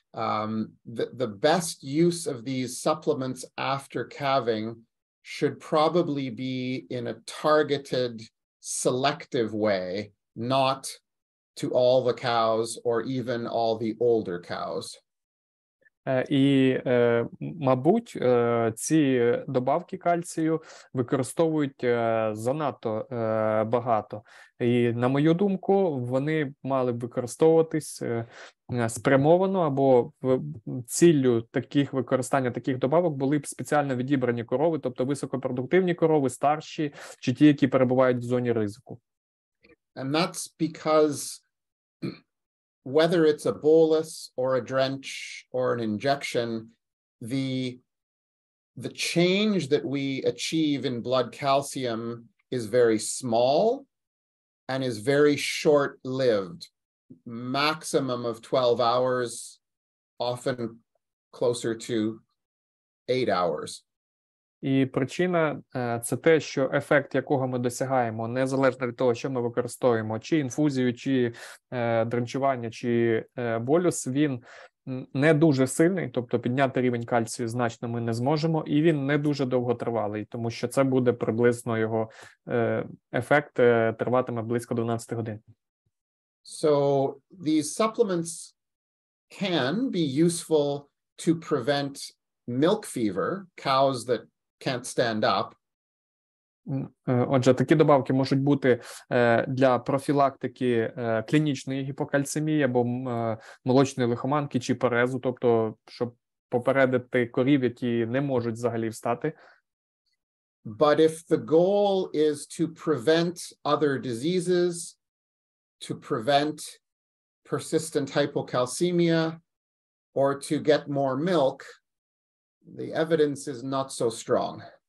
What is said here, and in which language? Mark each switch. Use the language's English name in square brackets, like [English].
[English] The best use of these supplements after calving should probably be in a targeted, selective way, not to all the cows or even all the older cows. [Ukrainian] І, мабуть, ці добавки кальцію використовують занадто багато. І, на мою думку, вони мали б використовуватись спрямовано, або ціллю таких використання таких добавок були б спеціально відібрані корови, тобто високопродуктивні корови, старші, чи ті, які перебувають в зоні ризику. [English] And that's because whether it's a bolus or a drench or an injection, the change that we achieve in blood calcium is very small and is very short-lived, maximum of 12 hours, often closer to 8 hours. [Ukrainian] І причина – це те, що ефект, якого ми досягаємо, незалежно від того, що ми використовуємо, чи інфузію, чи дренчування, чи болюс, він не дуже сильний, тобто підняти рівень кальцію значно ми не зможемо, і він не дуже довготривалий, тому що це буде приблизно його ефект триватиме близько 12 годин. [English] So these supplements can be useful to prevent milk fever, cows that can't stand up. [Ukrainian] Отже, такі добавки можуть бути для профілактики клінічної гіпокальцемії або молочної лихоманки чи перезу, тобто щоб попередити корів, які не можуть взагалі встати. [English] But if the goal is to prevent other diseases, to prevent persistent hypocalcemia or to get more milk, the evidence is not so strong.